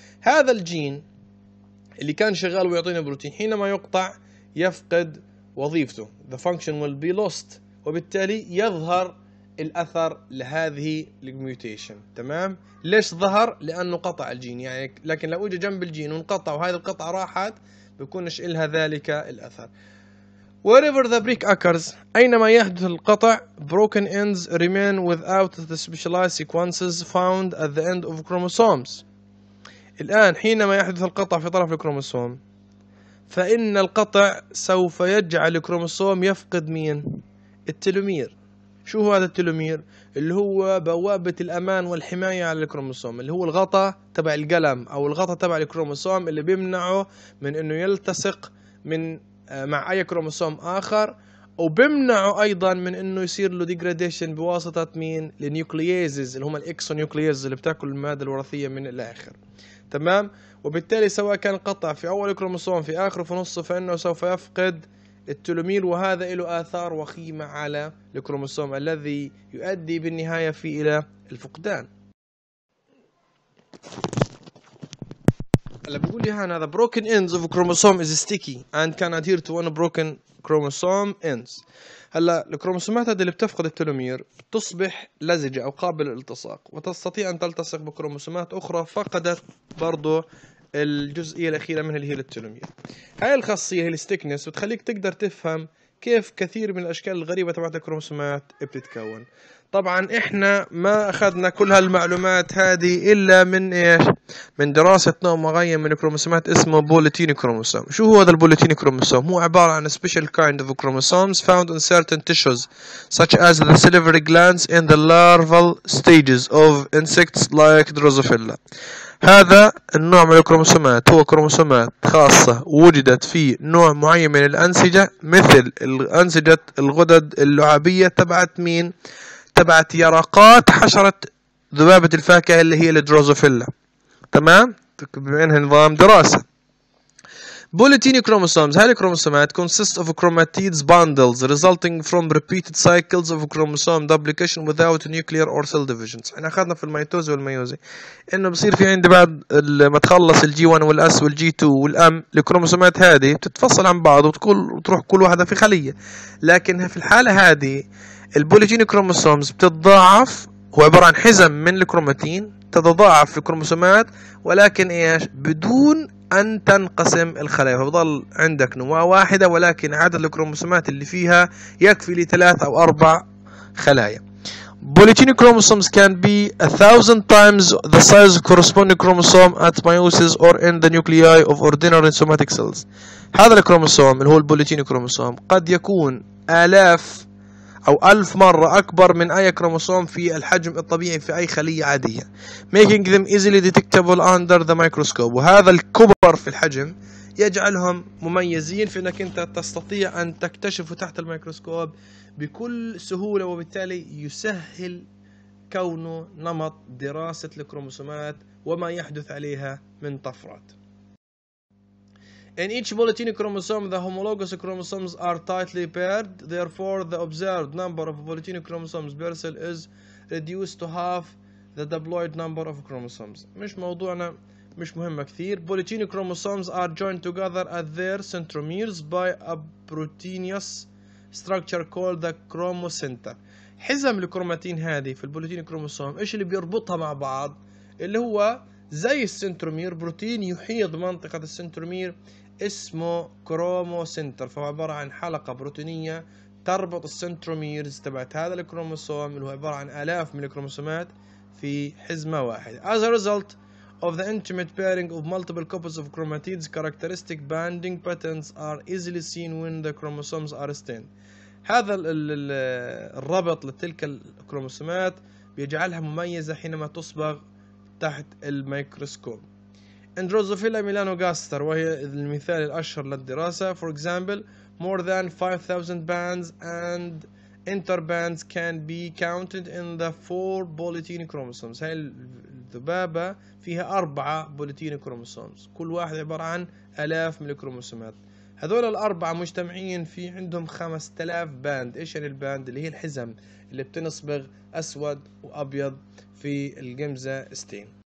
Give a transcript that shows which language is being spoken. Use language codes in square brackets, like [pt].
[ar] هذا الجين اللي كان شغال ويعطينا بروتين حينما يقطع يفقد وظيفته، [en] the function will be lost، [ar] وبالتالي يظهر الأثر لهذه الميوتيشن، تمام؟ ليش ظهر؟ لأنه قطع الجين، يعني لكن لو أجي جنب الجين ونقطع وهذه القطعة راحت بيكونش إلها ذلك الأثر. [en] Wherever the break occurs، [ar] أينما يحدث القطع، [en] broken ends remain without the specialized sequences found at the end of chromosomes. [ar] الآن حينما يحدث القطع في طرف الكروموسوم، فإن القطع سوف يجعل الكروموسوم يفقد مين؟ التلومير. شو هو هذا التلومير؟ اللي هو بوابة الأمان والحماية على الكروموسوم، اللي هو الغطاء تبع القلم أو الغطاء تبع الكروموسوم اللي بيمنعه من أنه يلتصق من مع أي كروموسوم آخر، وبيمنعه أيضا من أنه يصير له ديجراديشن بواسطة مين؟ النيوكليازز اللي هم الإكسونيوكليازز اللي بتاكل المادة الوراثية من الآخر، تمام؟ وبالتالي سواء كان قطع في أول كروموسوم في آخره في نصه فإنه سوف يفقد التلومير، وهذا له آثار وخيمة على الكروموسوم الذي يؤدي بالنهاية فيه إلى الفقدان. اللي بيقول لي هنا [en] the broken ends of a chromosome is sticky and can adhere to one broken chromosome ends. [ar] هلا الكروموسومات هذه اللي بتفقد التلومير بتصبح لزجة أو قابلة للالتصاق، وتستطيع أن تلتصق بكروموسومات أخرى فقدت برضو الجزئية الأخيرة من اللي هي التلومير. هاي الخاصية هي الستيكنس بتخليك تقدر تفهم كيف كثير من الأشكال الغريبة تبعت الكروموسومات بتتكون. طبعا احنا ما اخذنا كل هالمعلومات هذه الا من ايش؟ من دراسة نوع معين من الكروموسومات اسمه بوليتيني كروموسوم. شو هو هذا البوليتيني كروموسوم؟ هو عبارة عن [en] special kind of chromosomes found in certain tissues such as the salivary glands in the larval stages of insects like drosophila. [ar] هذا النوع من الكروموسومات هو كروموسومات خاصة وجدت في نوع معين من الأنسجة مثل أنسجة الغدد اللعابية تبعت مين؟ تبعت يرقات حشرة ذبابة الفاكهة اللي هي الدروزوفيلا. تمام؟ بينها نظام دراسة. [en] polytene chromosomes, [ar] هذه الكروموسومات [en] consist of chromatids bundles resulting from repeated cycles of chromosome duplication without nuclear or cell divisions. [ar] احنا اخذنا في الميتوز والميوزي انه بصير في عندي بعد ما تخلص الجي 1 والاس والجي 2 والام الكروموسومات هذه بتتفصل عن بعض وتروح كل واحدة في خلية، لكن في الحالة هذه البوليتيني كروموسومز بتتضاعف، هو عبارة عن حزم من الكروماتين تتضاعف في الكروموسومات ولكن ايش؟ بدون أن تنقسم الخلايا، فبضل عندك نواة واحدة ولكن عدد الكروموسومات اللي فيها يكفي لثلاث أو أربع خلايا. [en] Polytene chromosomes can be a thousand times the size of corresponding chromosome at meiosis or in the nuclei of ordinary somatic cells. [ar] هذا الكروموسوم اللي هو البوليتيني كروموسوم قد يكون آلاف أو ألف مرة أكبر من أي كروموسوم في الحجم الطبيعي في أي خلية عادية، [en] making them easily detectable under the microscope. [ar] وهذا الكبر في الحجم يجعلهم مميزين في أنك أنت تستطيع أن تكتشفه تحت الميكروسكوب بكل سهولة، وبالتالي يسهل كونه نمط دراسة الكروموسومات وما يحدث عليها من طفرات. [en] In each bulletin chromosome, the homologous chromosomes are tightly paired. Therefore, the observed number of bulletin chromosomes per cell is reduced to half the diploid number of chromosomes. [ar] مش موضوعنا مش مهمة كثير. [en] Bulletin chromosomes are joined together at their centromeres by a proteinous structure called the chromocenter. [ar] حزم الكروماتين هذه في البوليتين كروموسوم ايش اللي بيربطها مع بعض؟ اللي هو زي السنترومير، بروتين يحيط منطقة السنترومير اسمه كروموسنتر، فهو عبارة عن حلقة بروتينية تربط السنتروميرز تبعت هذا الكروموسوم اللي هو عبارة عن آلاف من الكروموسومات في حزمة واحدة. [en] As a result of the intimate pairing of multiple couples of chromatids, characteristic banding patterns are easily seen when the chromosomes are stained. [ar] هذا الربط لتلك الكروموسومات بيجعلها مميزة حينما تصبغ تحت الميكروسكوب. اندروزوفيلا ميلانوغاستر وهي المثال الأشهر للدراسة. [en] For example, more than 5,000 bands and interbands can be counted in the four bulletin chromosomes. [ar] هاي الذبابة فيها أربعة بوليتيني كروموسومز، كل واحد عبارة عن آلاف من الكروموسومات. هذول الأربعة مجتمعين في عندهم 5,000 band. إيش يعني الباند؟ اللي هي الحزم اللي بتنصبغ أسود وأبيض في الجمزة ستين.